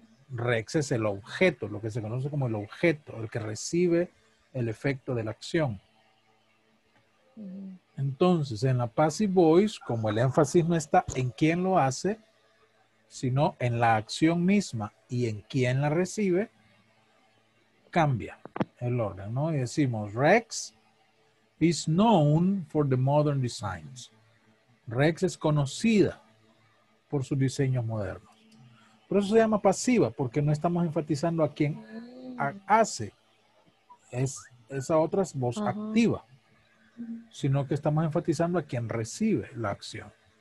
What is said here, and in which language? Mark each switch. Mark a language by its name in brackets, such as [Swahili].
[Spanish] Rex es el objeto, lo que se conoce como el objeto, el que recibe el efecto de la acción. Entonces, en la passive voice, como el énfasis no está en quién lo hace, sino en la acción misma y en quién la recibe, cambia el orden, ¿no? Y decimos, [English] Rex is known for the modern designs. [Spanish] Rex es conocida por sus diseños modernos. Por eso se llama pasiva, porque no estamos enfatizando a quién hace. Es esa otra voz activa, sino que estamos enfatizando a quién recibe la acción.